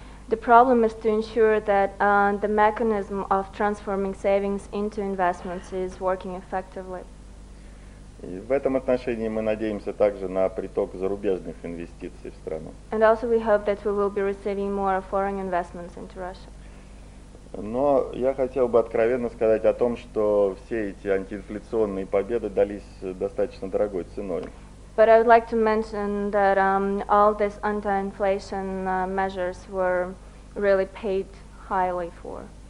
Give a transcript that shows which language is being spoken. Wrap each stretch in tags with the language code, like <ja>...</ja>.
<en>The problem is to ensure that the mechanism of transforming savings into investments is working effectively.</en> <ru>И в этом отношении мы надеемся также на приток зарубежных инвестиций в страну.</ru> <en>And also we hope that we will be receiving more foreign investments into Russia.</en> <ru>Но я хотел бы откровенно сказать о том, что все эти антиинфляционные победы дались достаточно дорогой ценой.</ru> <en>But I would like to mention that all these anti-inflation measures were really paid highly for.</en>